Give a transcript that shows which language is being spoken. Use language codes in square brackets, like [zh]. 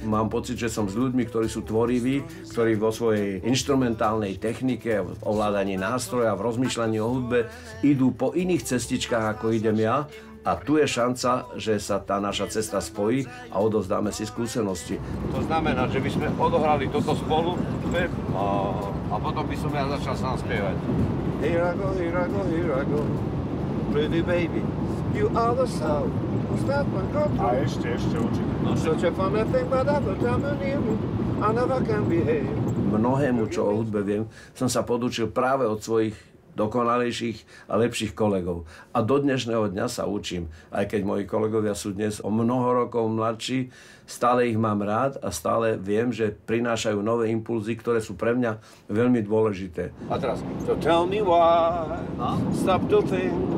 [sk] Mám pocit, že som s ľuďmi, ktorí sú tvoriví, ktorí vo svojej instrumentálnej technike, v ovládaní nástroja, v rozmýšľaní o hudbe idú po iných cestičkách, ako idem ja. A tu je šanca, že sa tá naša cesta spojí a odovzdáme si skúsenosti. To znamená, že by sme odohrali toto spolu a potom by som ja začal sám spievať. [en] Here I go, here I go, here I go, pretty baby, you are the soul, stop my control. [sk] A ešte určite. No, [en] such a funny thing, but I've got time in you, I never can behave. [sk] Mnohému, čo o hudbe viem, som sa podučil práve od svojich dokonalejších a lepších kolegov. A do dnešného dňa sa učím. Aj keď moji kolegovia sú dnes o mnoho rokov mladší, stále ich mám rád a stále viem, že prinášajú nové impulzy, ktoré sú pre mňa veľmi dôležité. A teraz, [en] so tell me why, stop to think.